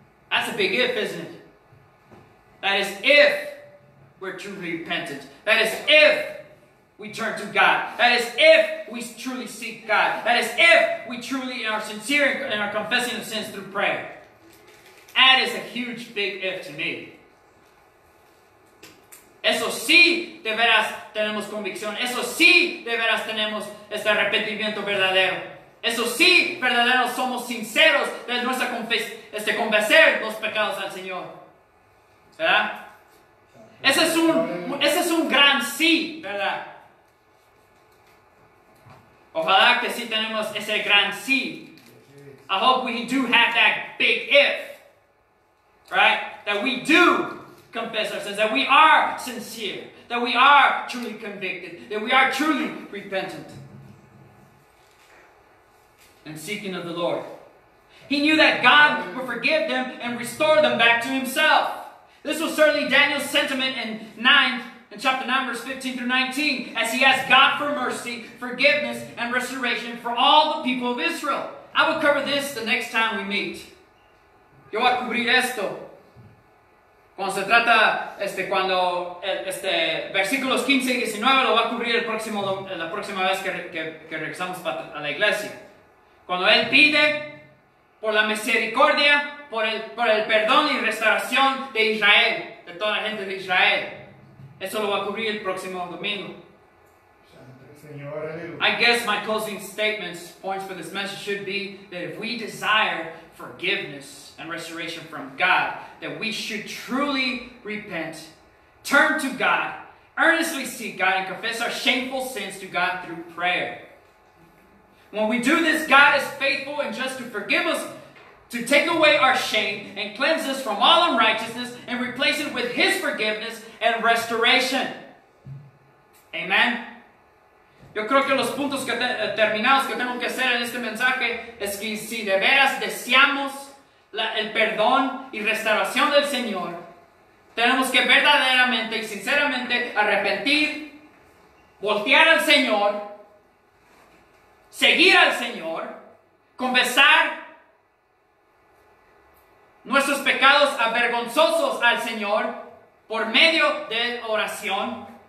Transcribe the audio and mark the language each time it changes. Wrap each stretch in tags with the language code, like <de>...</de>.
<en>That's a big if, isn't it? That is if we're truly repentant. That is if we turn to God. That is if we truly seek God. That is if we truly are sincere and are confessing of sins through prayer. That is a huge big if to me.</en> <es>Eso sí, de veras tenemos convicción. Eso sí, de veras tenemos este arrepentimiento verdadero. Eso sí, verdaderos somos sinceros de nuestra confesar los pecados al Señor. ¿Verdad? Ese es un gran sí, ¿verdad? Ojalá que sí tenemos ese gran sí.</es> <en>I hope we do have that big if. Right? That we do confess our sins. That we are sincere. That we are truly convicted. That we are truly repentant. And seeking of the Lord. He knew that God would forgive them and restore them back to himself. This was certainly Daniel's sentiment in chapter 9, verse 15 through 19, as he asked God for mercy, forgiveness, and restoration for all the people of Israel. I will cover this the next time we meet.</en> <es>Yo voy a cubrir esto. Cuando se trata, cuando versículos 15 y 19 lo voy a cubrir la próxima vez que regresamos a la iglesia. Cuando él pide por la misericordia, por el perdón y restauración de Israel, de toda la gente de Israel. Eso lo va a cubrir el próximo domingo. Señor,</es> <en>I guess my closing statements, points for this message should be that if we desire forgiveness and restoration from God, that we should truly repent, turn to God, earnestly seek God, and confess our shameful sins to God through prayer. When we do this, God is faithful and just to forgive us, to take away our shame and cleanse us from all unrighteousness and replace it with His forgiveness and restoration. Amen.</en> <es>Yo creo que los puntos terminados que tengo que hacer en este mensaje es que si de veras deseamos el perdón y restauración del Señor, tenemos que verdaderamente y sinceramente arrepentir, voltear al Señor, seguir al Señor, confesar nuestros pecados avergonzosos al Señor por medio de oración.</es>